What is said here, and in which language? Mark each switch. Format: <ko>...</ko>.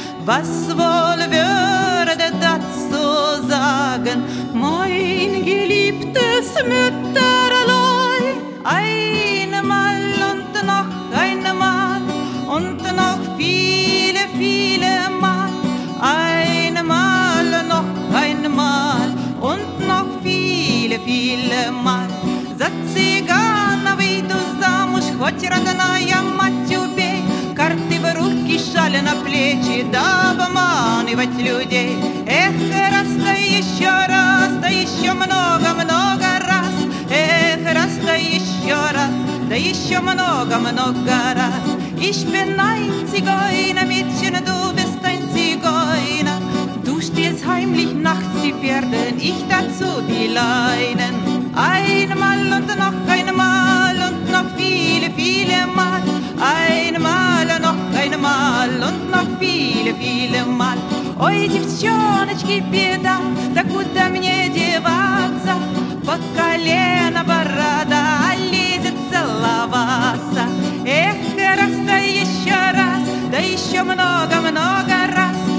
<de>Was wohl würde dazu sagen, mein geliebtes Mütterlein? Einmal und noch einmal und noch viele, viele Mal. Einmal, noch einmal und noch viele, viele Mal.</de> <ru>За цыгана выйду замуж, хоть родная мать убей. Карты в руки, шаль на плечи, да обманывать людей. Эх, раз, да еще раз, да еще много-много раз. Эх, раз, да еще раз, да еще много-много раз.</ru> <de>Ich bin ein Zigeuner, Mädchen, du bist ein Zigeuner. Du stehst heimlich nachts die Pferde, ich dazu die Leinen. Einmal und noch einmal und noch viele, viele Mal. Einmal und noch einmal und noch viele, viele Mal.</de> <ru>Ой, девчоночки, беда, да куда мне деваться? Под колено борода, а лезет целоваться. Эх, раз, да еще раз, да еще много-много раз.</ru>